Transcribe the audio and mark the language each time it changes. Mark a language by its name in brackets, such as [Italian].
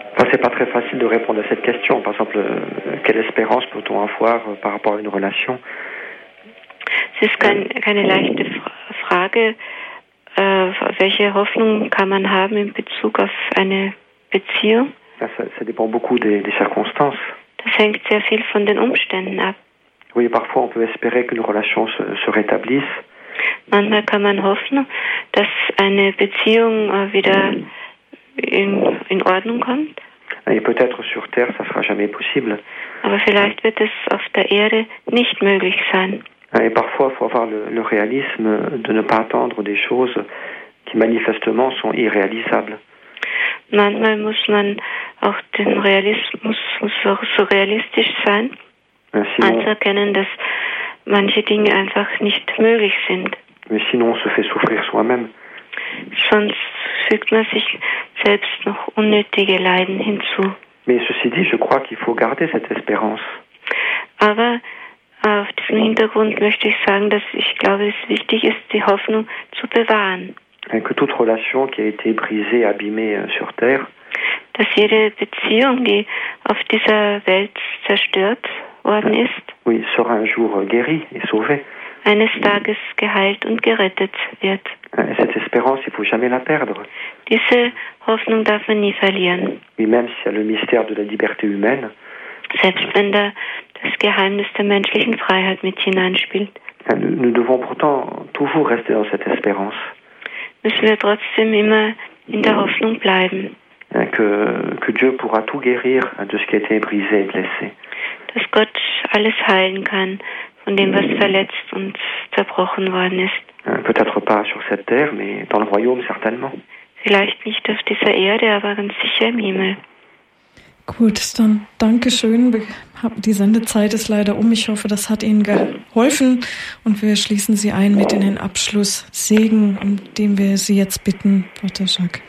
[French] C'est pas très facile de répondre à cette question. Par exemple, quelle espérance peut-on avoir par rapport à une relation? C'est [German] keine leichte Frage. Welche Hoffnung kann man haben in Bezug auf eine Beziehung? [French] Ça dépend beaucoup des circonstances. [German] Das hängt sehr viel von den Umständen ab. [French] Oui, parfois on peut espérer qu'une relation se rétablisse. [German] Manchmal kann man hoffen, dass eine Beziehung wieder in Ordnung kommt. [French] Et peut-être sur Terre, ça ne sera jamais possible. [German] Aber vielleicht wird es auf der Erde nicht möglich sein. [French] Et parfois, il faut avoir le réalisme de ne pas attendre des choses qui manifestement sont irréalisables. [German] Manchmal muss man auch den Realismus so realistisch sein, anzuerkennen, dass manche Dinge einfach nicht möglich sind. [French] Mais sinon, on se fait souffrir soi-même. [German] Sonst fügt man sich selbst noch unnötige Leiden hinzu. [French] Mais ceci dit, je crois qu'il faut garder cette espérance. [German] Aber auf diesem Hintergrund möchte ich sagen, dass ich glaube, es wichtig ist, die Hoffnung zu bewahren. [French] Et que toute relation qui a été brisée, abîmée sur Terre, [German] dass jede Beziehung, die auf dieser Welt zerstört worden ist, [French] oui, sera un jour guérie et sauvée. [German] Eines Tages geheilt und gerettet wird. [French] Cette espérance, il faut jamais la perdre. [German] Diese Hoffnung darf man nie verlieren. [French] Oui, même s'il y a le mystère de la liberté humaine. [German] Selbst wenn da das Geheimnis der menschlichen Freiheit mit hineinspielt. [French] Nous devons pourtant toujours rester dans cette espérance. [German] Müssen wir trotzdem immer in der Hoffnung bleiben. [French] Que Dieu pourra tout guérir de ce qui a été brisé et blessé. [German] Dass Gott alles heilen kann. Von dem, was verletzt und zerbrochen worden ist. [French] Peut-être pas sur cette terre, mais dans le royaume, certainement. [German] Vielleicht nicht auf dieser Erde, aber ganz sicher im Himmel. Gut, dann danke schön. Die Sendezeit ist leider um. Ich hoffe, das hat Ihnen geholfen. Und wir schließen Sie ein mit in den Abschluss Segen, um den wir Sie jetzt bitten, Pater Jacques.